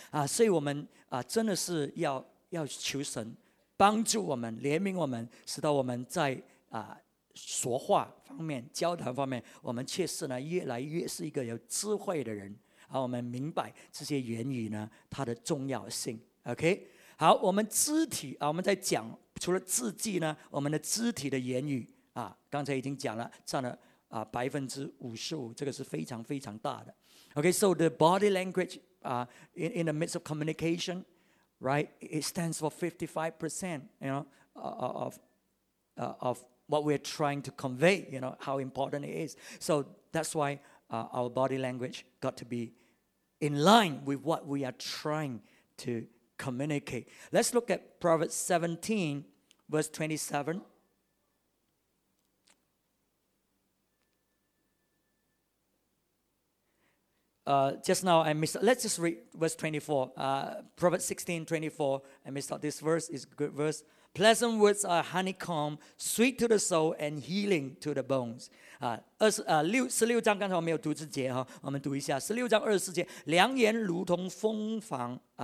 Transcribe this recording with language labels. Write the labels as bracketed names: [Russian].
[Chinese] 啊、所以我们、真的是 要求神帮助我们，怜悯我们，使得我们在、说话方面、交谈方面，我们确实呢越来越是一个有智慧的人。好，我们明白这些言语呢它的重要性。 OK, 好，我们肢体、啊、我们在讲除了字句呢，我们的肢体的言语、啊、刚才已经讲了占了、55%, 这个是非常非常大的。 [English] OK, so the body language、in the midst of communication, right, it stands for 55%, you know, of what we're trying to convey, you know, how important it is. So that's whyour body language got to be in line with what we are trying to communicate. Let's look at Proverbs 17, verse 27. Just now I missed, let's just read verse 24. Proverbs 16, 24, I missed out this verse, it's a good verse. Pleasant words are honeycomb, sweet to the soul and healing to the bones. [Chinese] 16章刚才我没有读这节、哦、我们读一下16章24节，良言如同蜂房、